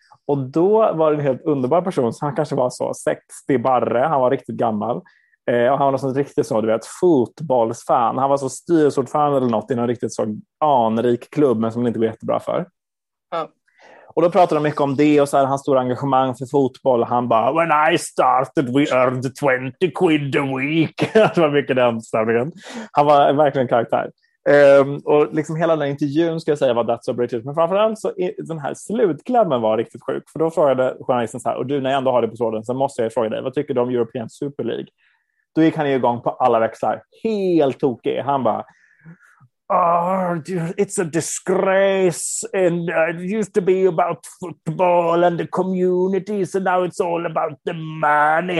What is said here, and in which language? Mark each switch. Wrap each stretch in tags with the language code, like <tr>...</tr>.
<sv>Och då var det en helt underbar person. Så han kanske var så 60 barre. Han var riktigt gammal. Och han var något sånt riktigt så, du vet, fotbollsfan. Han var så styrelseordförande eller något i någon riktigt så anrik klubb, men som han inte går jättebra för. Ja. Och då pratade de mycket om det och så här, hans stora engagemang för fotboll.</sv> <en>Han bara, when I started we earned 20 quid a week.</en> <sv>Det var mycket den stämningen. Han var verkligen en karaktär. Och liksom hela den intervjun, ska jag säga, var that's so British. Men framförallt så den här slutklämmen var riktigt sjuk. För då frågade journalisten så här, och du, när jag ändå har det på tråden, så måste jag fråga dig, vad tycker du om European Super League? Då gick han igång på alla växlar. Helt tokig. Han bara...</sv> <en>Oh, it's a disgrace, and it used to be about football and the communities, and now it's all about the money.</en>